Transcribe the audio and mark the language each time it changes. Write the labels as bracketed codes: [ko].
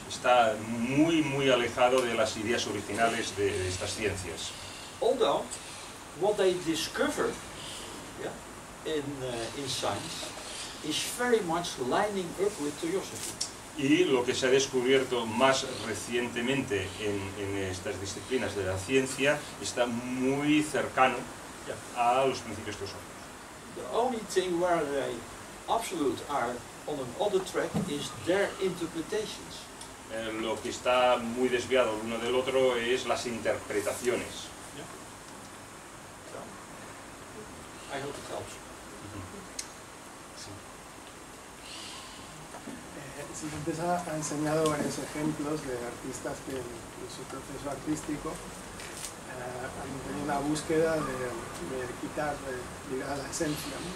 [es] Está muy muy alejado de las ideas originales de estas ciencias. [en] Although what they discover, yeah, in science is very much lining up with theosophy. [es] Y lo que se ha descubierto más recientemente en estas disciplinas de la ciencia está muy cercano, yeah, a los principios teosóficos. [en] The only thing where they absolute are on another track is their interpretations. [es] Lo que está muy desviado el uno del otro es las interpretaciones. [en] Yeah. So, I hope it helps. [es] Si antes ha enseñado varios ejemplos de artistas que en su proceso artístico han tenido una búsqueda de quitar, de llegar a la esencia, ¿no?